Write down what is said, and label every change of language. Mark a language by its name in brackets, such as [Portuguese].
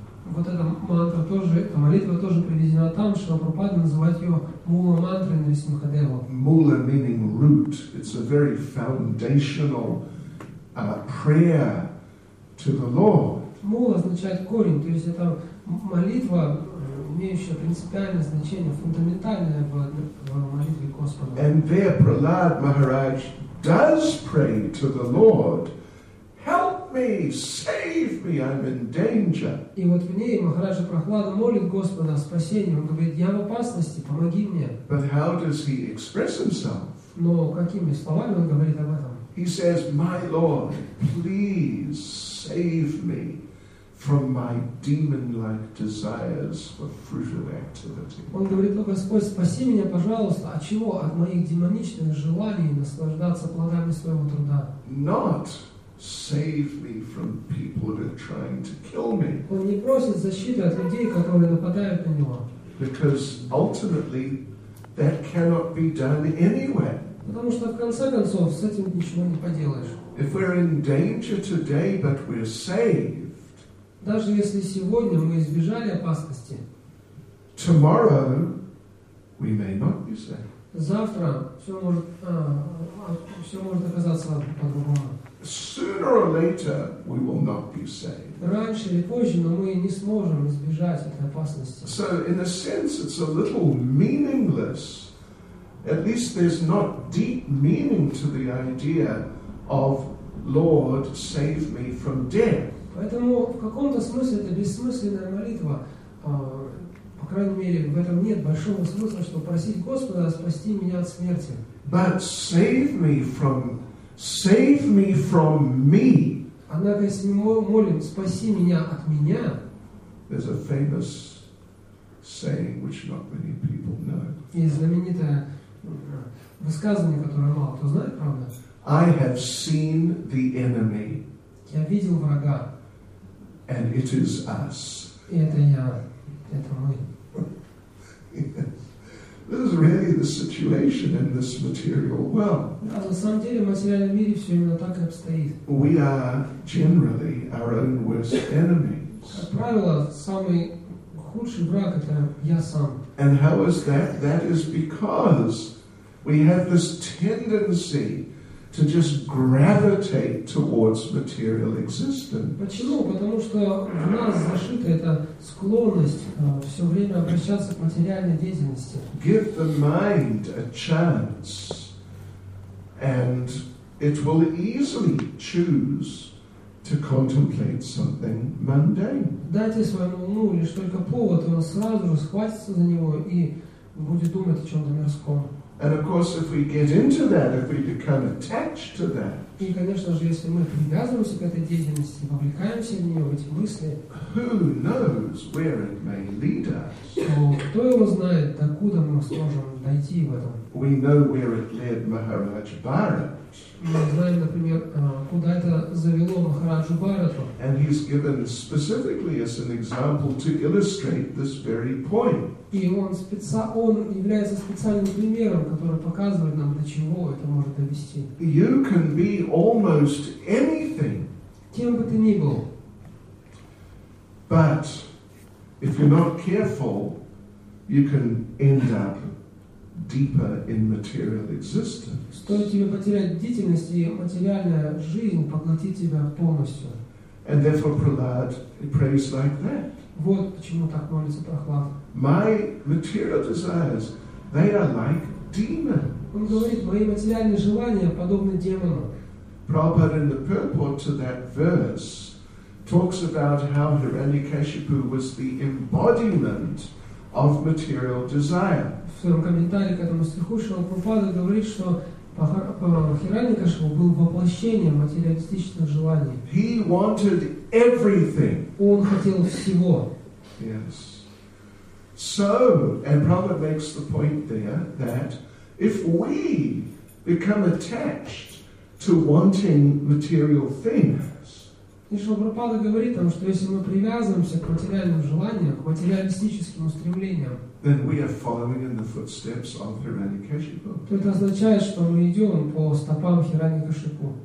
[Russian] Вот эта мантра тоже, эта молитва тоже приведена там, что Прабхупада называет ее Мула Мантра Нарисимхадева. [English] Mula meaning root. It's a very foundational prayer to the Lord. [Russian] Мула означает корень, то есть это молитва, имеющая принципиальное значение, фундаментальное в молитве Господа. [English] And there Prahlad Maharaj does pray to the Lord. Help me, save me, I'm in danger. [Russian] И вот в ней Махараджа Прохлада молит Господа о спасении. Он говорит: я в опасности, помоги мне. [English] But how does he express himself? [Russian] Но какими словами он говорит об этом? [English] He says, my Lord, please save me from my demon-like desires for fruitive activity. [Russian] Он говорит: о Господь, спаси меня, пожалуйста, от чего? От моих демоничных желаний наслаждаться плодами своего труда. [English] Not save me from people that are trying to kill me. [Russian] Он не просит защиты от людей, которые нападают на него. [English] Because ultimately, that cannot be done anywhere. [Russian] Потому что в конце концов с этим ничего не поделаешь. [English] If we're in danger today, but we're saved. [Russian] Даже если сегодня мы избежали опасности. [English] Tomorrow, we may not be saved. [Russian] Завтра все может оказаться по-другому. [English] Sooner or later, we will not be saved. [Russian] Раньше или позже, но мы не сможем избежать этой опасности. [English] So, in a sense, it's a little meaningless. At least there's not deep meaning to the idea of Lord, save me from death. [Russian] Поэтому в каком-то смысле это бессмысленная молитва. По крайней мере, в этом нет большого смысла, чтобы просить Господа спасти меня от смерти. [English] But save me from Save me from me. [Russian] Однако, если мы молим, спаси меня от меня. [English] There's a famous saying which not many people know. [Russian] Есть знаменитое высказывание, которое мало кто знает, правда? [English] I have seen the enemy. [Russian] Я видел врага. [English] And it is us. [Russian] И это я, это мы. [English] This is really the situation in this material world. [Russian] Да, на самом деле в материальном мире все именно так и обстоит. [English] We are generally our own worst enemies. [Russian] Как правило, самый худший враг — это я сам. [English] And how is that? That is because we have this tendency to just gravitate towards material existence. [Russian] Почему? Потому что в нас зашита эта склонность все время обращаться к материальной деятельности. [English] Give the mind a chance, and it will easily choose to contemplate something mundane. [Russian] Дайте своему уму лишь только повод, он сразу же схватится за него и будет думать о чем-то мирском. [English] And of course, if we get into that, if we become attached to that, [Russian] И, конечно же, если мы привязываемся к этой деятельности, вовлекаемся в нее, в эти мысли, то кто его знает, докуда мы сможем дойти в этом? [English] We know where it led Maharaj Bharat. [Russian] Мы знаем, например, куда это завело Махараджу Бхарату. [English] And he's given specifically as an example to illustrate this very point. [Russian] И он является специальным примером, который показывает нам, до чего это может довести. [English] You can be almost anything. [Russian] Кем бы ты ни был. [English] But if you're not careful, you can end up deeper in material existence. [Russian] Стоит тебе потерять бдительность, и материальная жизнь поглотит тебя полностью. [English] And therefore Prahlad prays like that. [Russian] Вот почему так молится Прохлад. [English] My material desires, they are like demons. [Russian] Он говорит, мои материальные желания подобны демонам. [English] Prabhupada in the purport to that verse talks about how Hiranyakashipu was the embodiment of material desire. [Russian] В своем комментарии к этому стиху Шрила Прабхупада говорит, что Хираньякашипу был воплощением материалистических желаний. [English] He wanted everything. [Russian] Он хотел всего. [English] Yes. So, and Prabhupada makes the point there that if we become attached to wanting material things, [Russian] и что Прабхупада говорит там, что если мы привязываемся к материальным желаниям, к материалистическим устремлениям, [English] then we are following in the footsteps of Hiranyakashipu. [Russian] То это означает, что мы идем по стопам Хираньякашипу.